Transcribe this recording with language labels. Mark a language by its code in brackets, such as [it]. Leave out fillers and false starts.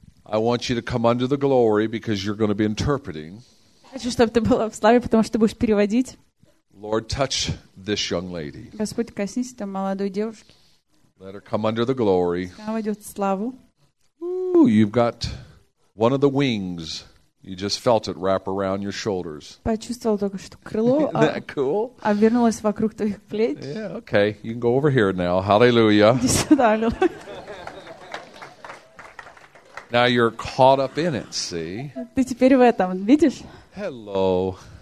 [en] I want you to come under the glory because you're going to be interpreting. [ru] Хочу, чтобы ты была в славе, потому что ты будешь переводить. [en] Lord, touch this young lady. [ru] Господь, коснись этой молодой девушки. [en] Let her come under the glory. [ru] Она войдет в славу. [en] Ooh, you've got one of the wings, you just felt it wrap around your shoulders. [ru] Почувствовал только что крыло. [en] Isn't that cool? [ru] Обернулось вокруг твоих плеч. [en] Yeah, okay. You can go over here now. Hallelujah. [ru] Иди сюда, аллилуйя. [en] Now you're caught up in it, see? [ru] Ты теперь в этом, видишь? [en] Hello.